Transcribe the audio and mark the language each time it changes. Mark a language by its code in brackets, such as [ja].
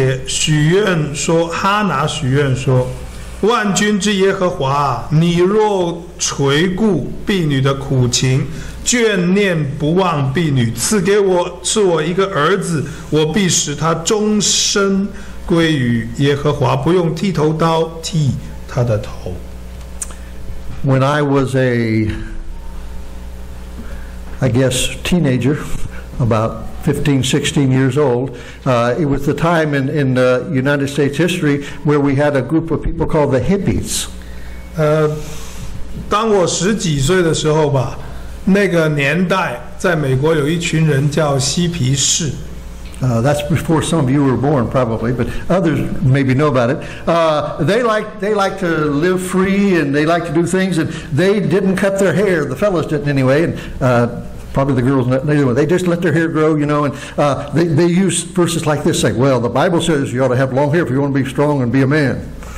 [zh] 十一节许愿说，哈拿许愿说， 万军之耶和华，你若垂顾婢女的苦情，眷念不忘婢女，赐给我是我一个儿子，我必使他终身归于耶和华，不用剃头刀剃他的头。 [en] When I was a, I guess, teenager, about 15, 16 years old, it was the time in United States history where we had a group of people called the hippies. [zh] 当我十几岁的时候吧, 那个年代在美国有一群人叫嬉皮士。 [en] That's before some of you were born, probably, but others maybe know about it. They like to live free, and they like to do things, and they didn't cut their hair. The fellows didn't anyway, and probably the girls, they just let their hair grow, you know, and they use verses like this, saying, well, the Bible says you ought to have long hair if you want to be strong and be a man.